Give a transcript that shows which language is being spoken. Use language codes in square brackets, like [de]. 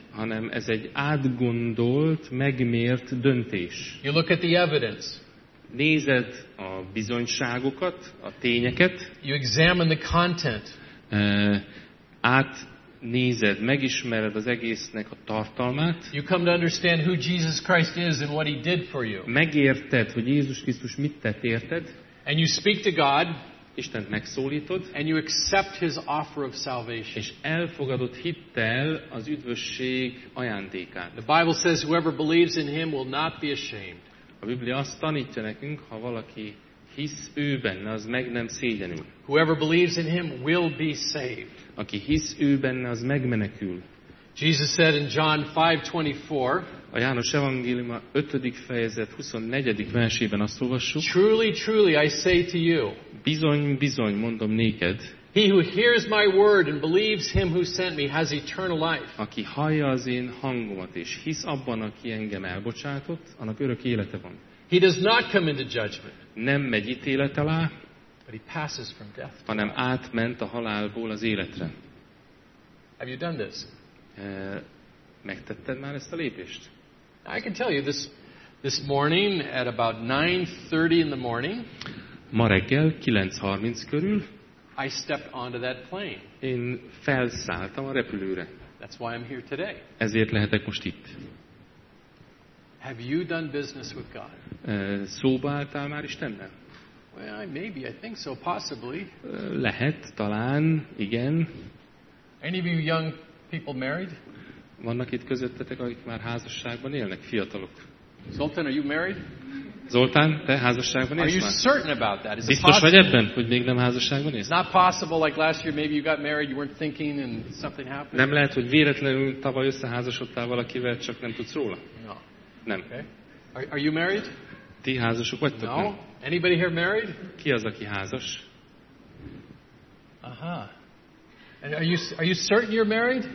[hu] Hanem ez egy átgondolt, megmért döntés. [en] You look at the evidence. [hu] Nézed a bizonyságokat, a tényeket. [en] You examine the content. [hu] Átnézed, megismered az egésznek a tartalmát. [en] You come to understand who Jesus Christ is and what he did for you. [hu] Megérted, hogy Jézus Krisztus mit tett érted. [en] And you speak to God. [hu] Istent megszólítod. [en] And you accept his offer of salvation. [hu] És elfogadod hittel az üdvösség ajándékát. [en] The Bible says whoever believes in him will not be ashamed. [hu] A Biblia azt tanítja nekünk, ha valaki hisz ő benne, az meg nem szégyenül. [en] Whoever believes in him will be saved. [hu] Aki hisz ő benne, az megmenekül. [en] Jesus said in John 5:24. [hu] A János evangéliuma 5. fejezet 24. versében azt olvassuk. [en] Truly, truly, I say to you. [hu] Bizony, bizony, mondom néked. [en] He who hears my word and believes him who sent me has eternal life. [hu] Aki hallja az én hangomat és hisz abban, aki engem elbocsátott, annak örök élete van. [en] He does not come into judgment. [hu] Nem megy ítélet alá, [en] but he passes from death. [hu] Hanem átment a halálból az életre. [en] Have you done this? [hu] Megtetted már ezt a lépést? [en] I can tell you this morning at about 9:30 in the morning. [hu] Ma reggel 9:30 körül. [en] I stepped onto that plane. [hu] Én felszálltam a repülőre. [en] That's why I'm here today. [hu] Ezért lehetek most itt. [en] Have you done business with God? [hu] Szóba álltál már Istennel? [en] Well, maybe, I think so, possibly. [hu] Lehet, talán, igen. [en] Any of you young people married? [hu] Vannak itt közöttetek, akik már házasságban élnek, fiatalok. [en] Zoltán, are you married? [hu] Zoltán, te házasságban élsz? [en] Are you certain about that? Is [hu] biztos [en] possible? [hu] Vagy ebben, hogy még nem házasságban élsz? [en] Not possible, like last year, maybe you got married, you weren't thinking and something happened. [hu] Nem lehet, hogy véletlenül tavaly összeházasodtál valakivel, csak nem tudsz róla. [en] No. [hu] Nem. [en] Okay. Are you married? [hu] Ti házasok vagytok? [en] No. Anybody here married? [hu] Ki az, aki házas? [en] Aha. And are you certain you're married?